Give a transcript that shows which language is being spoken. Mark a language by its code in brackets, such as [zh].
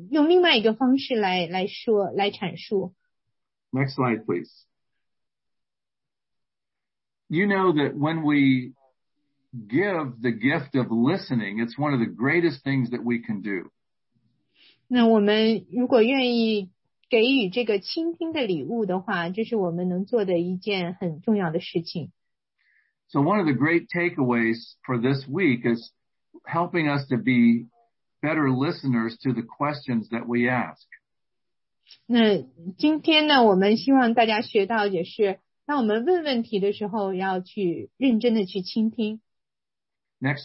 [zh] 你可以说，能不能把用另外一个方式来说来阐述。 [en] Next slide, please. You know that when we give the gift of listening, it's one of the greatest things that we can do. [zh] 那我们如果愿意给予这个倾听的礼物的话，这是我们能做的一件很重要的事情。 [en] So one of the great takeaways for this week is helping us to be better listeners to the questions that we ask. [zh] 那今天呢，我们希望大家学到也是，当我们问问题的时候，要去认真的去倾听。Next